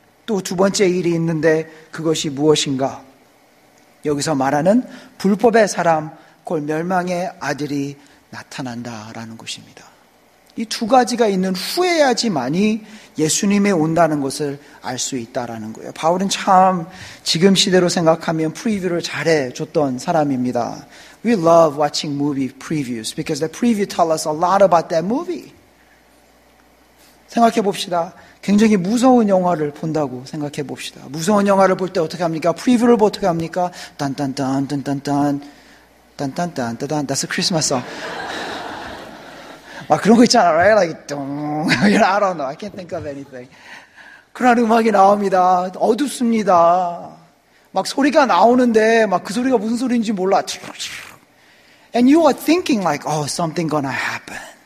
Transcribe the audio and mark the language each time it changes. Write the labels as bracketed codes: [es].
[ko] 또 두 번째 일이 있는데 그것이 무엇인가? 여기서 말하는 불법의 사람, 곧 멸망의 아들이 나타난다라는 것입니다. 이 두 가지가 있는 후에야지만이 예수님의 온다는 것을 알 수 있다라는 거예요. 바울은 참 지금 시대로 생각하면 프리뷰를 잘해 줬던 사람입니다. [en] We love watching movie previews because the preview tell us a lot about that movie. [ko] 생각해 봅시다. 굉장히 무서운 영화를 본다고 생각해 봅시다. 무서운 영화를 볼 때 어떻게 합니까? 프리뷰를 보고 어떻게 합니까? 딴딴딴 딴딴딴 딴딴딴 딴딴 [en] That's a Christmas song. [ko] 막 그런 거 있잖아, [en] right? Like, dong. I don't know. I can't think of anything. [ko] 그런 음악이 나옵니다. 어둡습니다. 막 소리가 나오는데, 막 그 소리가 무슨 소리인지 몰라. [en] And you are thinking like, oh, something gonna happen.